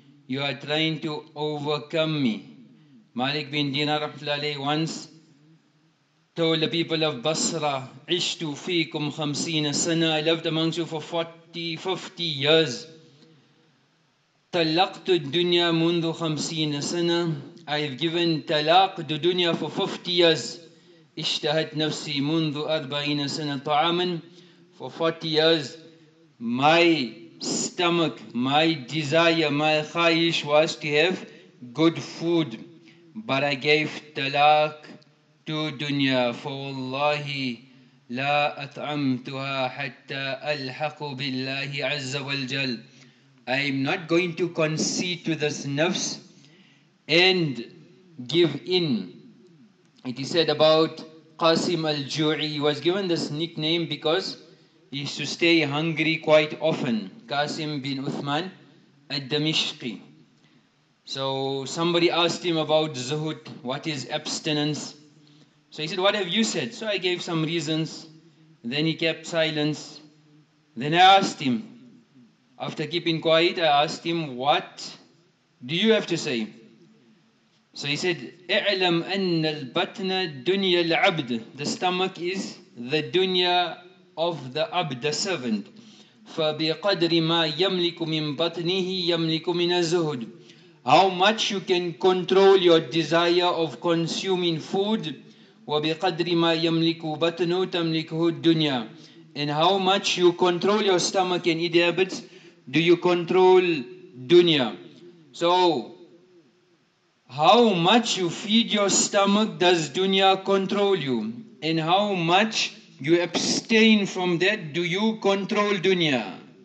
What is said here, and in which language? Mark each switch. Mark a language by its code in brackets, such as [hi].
[en] You are trying to overcome me. Malik bin Dinar once told the people of Basra, [ar] عِشْتُ فِيكُمْ خَمْسِينَ سَنَا. [en] I lived amongst you for 40-50 years. [ar] طلقت الدنيا منذ 50 سنة. [en] I've given talaq to dunya for 50 years. [ar] اشتهت نفسي منذ 40 سنة طعاما. [en] For 40 years, my stomach, my desire, my khayish was to have good food. But I gave talaq to dunya. [ar] فوالله لا أطعمتها حتى ألحق بالله عز وجل. [en] I'm not going to concede to this nafs and give in. It is said about Qasim al-Ju'i. He was given this nickname because he used to stay hungry quite often. Qasim bin Uthman al-Damishqi. So somebody asked him about zuhud. What is abstinence? So he said, what have you said? So I gave some reasons. Then he kept silence. Then I asked him, after keeping quiet, I asked him, what do you have to say? So he said, [ar] اعلم أن البطن دنيا العبد. [en] The stomach is the dunya of the abd, the servant. [ar] فبقدر ما يملك من بطنه يملك من الزهد. [en] How much you can control your desire of consuming food. [ar] وبقدر ما يملك بطنه تملكه الدنيا. [en] And how much you control your stomach and eating habits, do you control dunya? So, how much you feed your stomach, does dunya control you? And how much you abstain from that, do you control dunya?